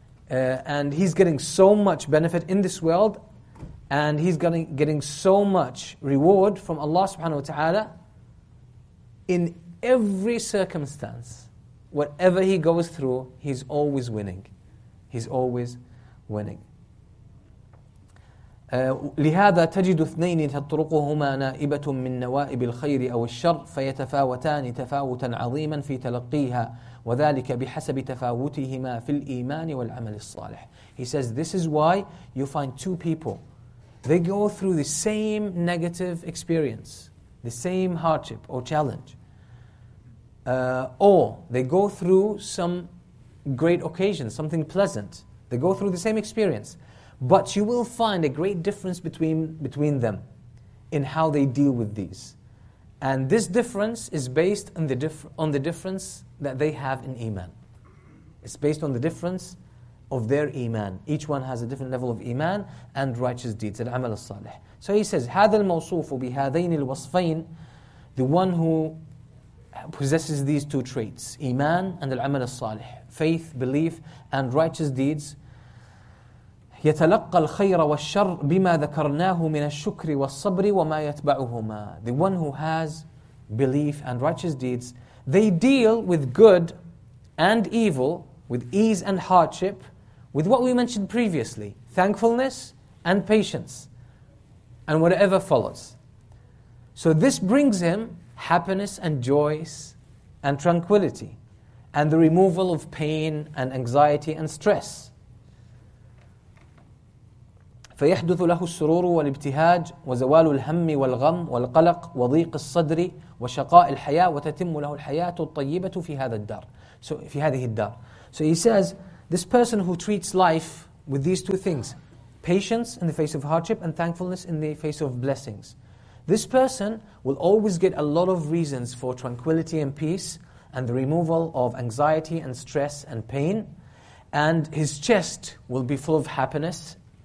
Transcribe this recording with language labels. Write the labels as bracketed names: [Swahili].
[English] And he's getting so much benefit in this world, and he's getting so much reward from Allah subhanahu wa ta'ala in every circumstance. Whatever he goes through, he's always winning. He's always winning. [Arabic] لهذا تجد اثنين تطرقهما نائبة من نوائب الخير أو الشر فيتفاوتان تفاوتا عظيما في تلقيها وذلك بحسب تفاوتهما في الإيمان والعمل الصالح. [English] He says this is why you find two people, they go through the same negative experience, the same hardship or challenge, or they go through some great occasion, something pleasant. They go through the same experience, but you will find a great difference between them in how they deal with these. And this difference is based on the difference that they have in iman. It's based on the difference of their iman. Each one has a different level of iman and righteous deeds, al-amal al-salih. So he says, [Arabic] هذا الموصوف بهذين الوصفين, [English] the one who possesses these two traits, iman and al-amal al-salih, faith, belief, and righteous deeds, [Arabic] يتلقى الخير والشر بما ذكرناه من الشكر والصبر وما يتبعهما. [English] The one who has belief and righteous deeds, they deal with good and evil, with ease and hardship, with what we mentioned previously, thankfulness and patience, and whatever follows. So this brings him happiness and joy and tranquility, and the removal of pain and anxiety and stress. [Arabic] فيحدث له السرور والابتهاج وزوال الهم والغم والقلق وضيق الصدر وشقاء الحياة وتتم له الحياة الطيبة في هذا الدار. So في هذه الدار. [English] So he says, this person who treats life with these two things, patience in the face of hardship and thankfulness in the face of blessings, this person will always get a lot of reasons for tranquility and peace and the removal of anxiety and stress and pain, and his chest will be full of happiness.